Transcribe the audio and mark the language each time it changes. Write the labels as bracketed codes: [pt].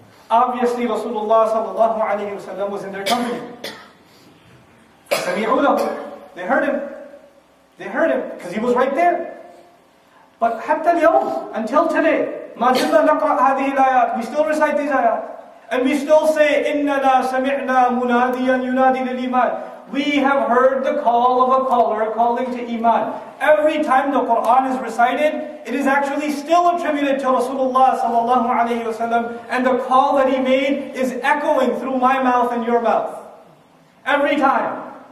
[en] Obviously Rasulullah sallallahu alayhi wa sallam was in their company. [ar] فَسَمِعُونَهُ, [en] they heard him. They heard him, because he was right there. But [ar] حتى اليوم, [en] until today, [ar] ما زلنا نقرأ هذه الآيات, [en] we still recite these ayat. And we still say, [ar] إِنَّنَا سَمِعْنَا مُنَادِيًا يُنَادِي لِلْإِيمَانِ. [en] We have heard the call of a caller calling to Iman. Every time the Qur'an is recited, it is actually still attributed to Rasulullah sallallahu alayhi wa sallam, and the call that he made is echoing through my mouth and your mouth. Every time.